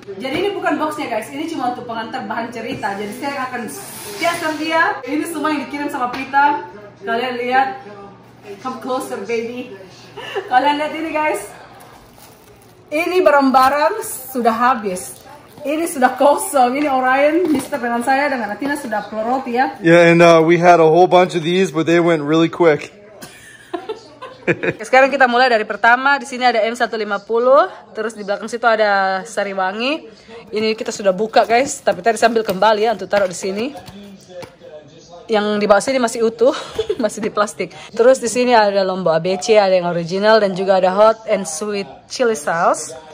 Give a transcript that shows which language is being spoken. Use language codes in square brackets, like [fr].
[id] Jadi ini bukan boxnya guys, ini cuma untuk pengantar bahan cerita. Jadi saya akan siapkan dia. Ini semua yang dikirim sama Pita. Kalian lihat, [en] come closer baby. [id] Kalian lihat ini guys, ini barang-barang sudah habis. Ini sudah kosong. Ini Orion, Mister dengan saya dengan Atina sudah plorot ya. [en] Yeah, and we had a whole bunch of these, but they went really quick. [id] Sekarang kita mulai dari pertama. Di sini ada M150, terus di belakang situ ada sari wangi. Ini kita sudah buka guys, tapi tadi sambil kembali ya untuk taruh di sini. Yang di bawah sini masih utuh, masih di plastik. Terus di sini ada lombok ABC, ada yang original dan juga ada hot and sweet chili sauce.